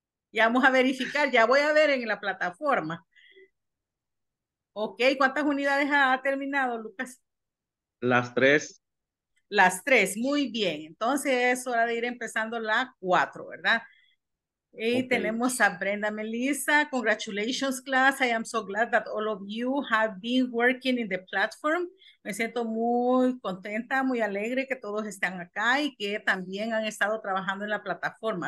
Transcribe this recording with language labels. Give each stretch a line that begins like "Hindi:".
Spanish: Ya vamos a verificar, ya voy a ver en la plataforma. Ok, ¿cuántas unidades ha terminado, Lucas? Las 3. Las 3, muy bien. Entonces es hora de ir empezando la 4, ¿verdad? Hey, okay. Tenemos a Brenda Melissa.
English: Congratulations, class. I am so glad that all of you have been working in the platform.
Spanish: Me siento muy contenta, muy alegre que todos estén acá y que también han estado trabajando en la plataforma.